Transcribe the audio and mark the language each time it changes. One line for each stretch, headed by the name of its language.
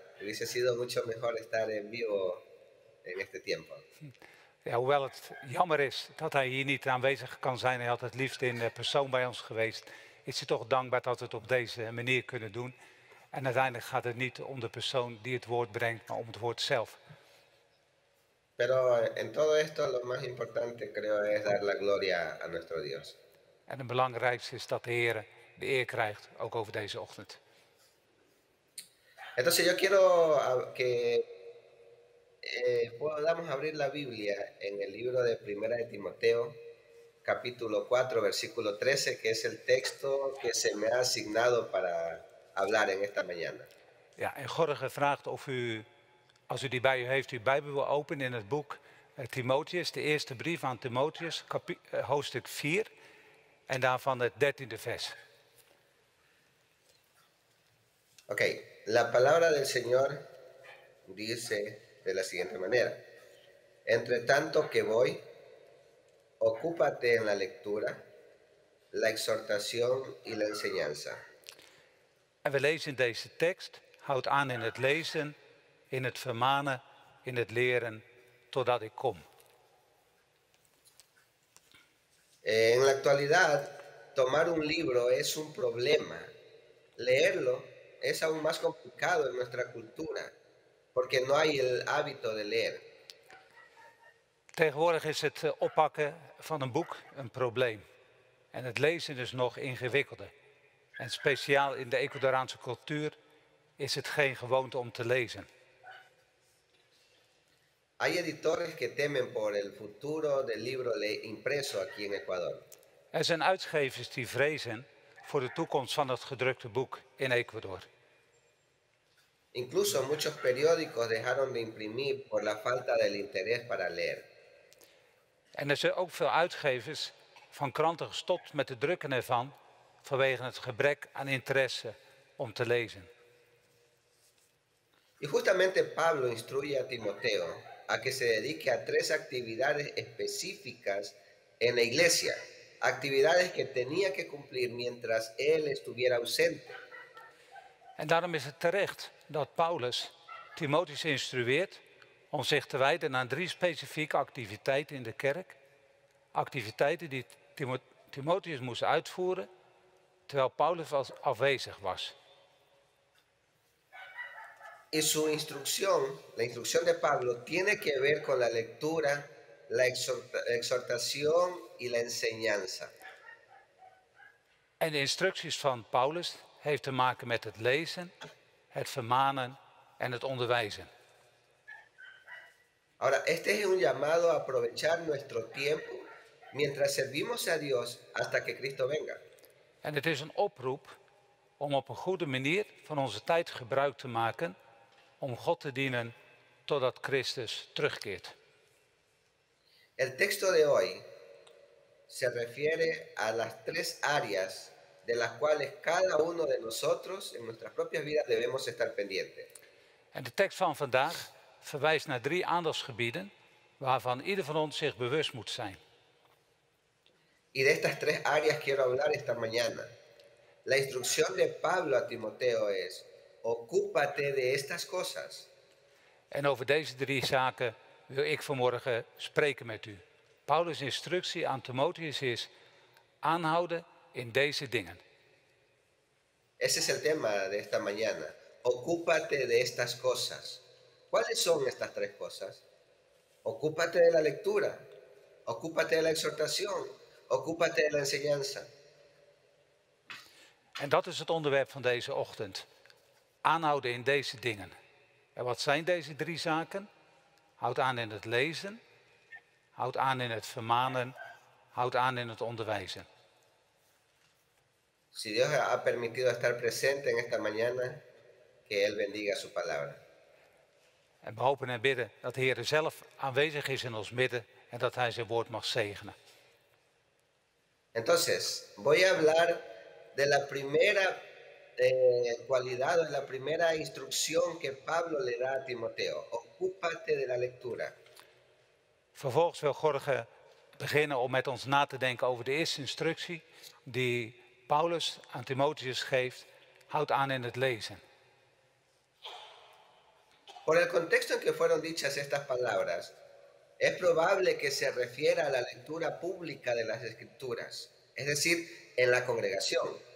Spanish: Hubiese sido mucho mejor estar en vivo en este tiempo.
Dutch: Ja, hoewel het jammer is dat hij hier niet aanwezig kan zijn, hij had het liefst in persoon bij ons geweest, is hij toch dankbaar dat we het op deze manier kunnen doen. En uiteindelijk gaat het niet om de persoon die het woord brengt, maar om het woord zelf.
Spanish: Pero en todo esto lo más importante creo es dar la gloria a nuestro Dios.
Dutch: En het belangrijkste is dat de Heer de eer krijgt, ook over deze ochtend.
Spanish: Entonces yo quiero que podamos abrir la Biblia en el libro de Primera de Timoteo, capítulo 4, versículo 13, que es el texto que se me ha asignado para hablar en esta mañana.
Dutch: Ja, en Jorge vraagt of u, als u die bij u heeft, uw Bijbel wil openen in het boek Timotheus, de eerste brief aan Timotheus, hoofdstuk 4, en daarvan het 13e vers.
Spanish: Oké, la palabra del Señor dice de la siguiente manera: entre tanto que voy, ocúpate en la lectura, la exhortación y la enseñanza.
Dutch: En we lezen deze tekst, houd aan in het lezen, in het vermanen, in het leren, totdat ik kom.
Spanish: En la actualidad, tomar un libro es un problema. Leerlo es aún más complicado en nuestra cultura, porque no hay el hábito de leer.
Dutch: Tegenwoordig is het oppakken van een boek een probleem. En het lezen is nog ingewikkelder. En speciaal in de Ecuadoraanse cultuur is het geen gewoonte om te lezen.
Spanish: Hay editores que temen por el futuro del libro impreso aquí en Ecuador.
Dutch: Er zijn uitgevers die vrezen voor de toekomst van het gedrukte boek in Ecuador.
Spanish: Incluso muchos periódicos dejaron de imprimir por la falta del interés para leer.
Dutch: En er zijn ook veel uitgevers van kranten gestopt met het drukken ervan vanwege het gebrek aan interesse om te lezen.
Spanish: Y justamente Pablo instruye a Timoteo a que se dedique a tres actividades específicas en la iglesia. Actividades que tenía que cumplir mientras él estuviera ausente.
Dutch: En daarom is het terecht dat Paulus Timotheus instrueert om zich te wijden aan drie specifieke activiteiten in de kerk. Activiteiten die Timotheus moest uitvoeren terwijl Paulus afwezig was.
Spanish: En su instrucción, la instrucción de Pablo, tiene que ver con la lectura, la exhortación y la enseñanza.
Dutch: En de instructies van Paulus heeft te maken met het lezen, het vermanen en het onderwijzen.
Spanish: Ahora, este es un llamado a aprovechar nuestro tiempo mientras servimos a Dios hasta que Cristo venga.
Dutch: En het is een oproep om op een goede manier van onze tijd gebruik te maken om God te dienen totdat Christus terugkeert.
Spanish: El texto de hoy se refiere a las tres áreas de las cuales cada uno de nosotros en nuestras propias vidas debemos estar pendiente.
Dutch: En de tekst van vandaag verwijst naar drie aandachtsgebieden waarvan ieder van ons zich bewust moet zijn.
Spanish: Y de estas tres áreas quiero hablar esta mañana. La instrucción de Pablo a Timoteo es: ocúpate de estas cosas.
Dutch: En over deze drie zaken wil ik vanmorgen spreken met u. Paulus' instructie aan Timotheus is: aanhouden in deze dingen.
Spanish: Ese es el tema de esta mañana. Ocúpate de estas cosas. ¿Cuáles son estas tres cosas? Ocúpate de la lectura. Ocúpate de la exhortación. Ocúpate de la enseñanza.
Dutch: En dat is het onderwerp van deze ochtend. Aanhouden in deze dingen. En wat zijn deze drie zaken? Houd aan in het lezen. Houd aan in het vermanen. Houd aan in het onderwijzen.
Spanish: Si Dios ha permitido estar presente en esta mañana, que Él bendiga su palabra.
Dutch: En we hopen en bidden dat de Heer zelf aanwezig is in ons midden en dat Hij zijn woord mag zegenen.
Spanish: Entonces, voy a hablar de la primera cualidad o de la primera instrucción que Pablo le da a Timoteo. Ocúpate de la lectura.
Dutch: Vervolgens wil Jorge beginnen om met ons na te denken over de eerste instructie die Paulus aan Timotheus geeft: houd aan in het lezen.
Spanish: Por el contexto en que fueron dichas estas palabras, es probable que se refiera a la lectura pública de las escrituras, es decir, en la congregación.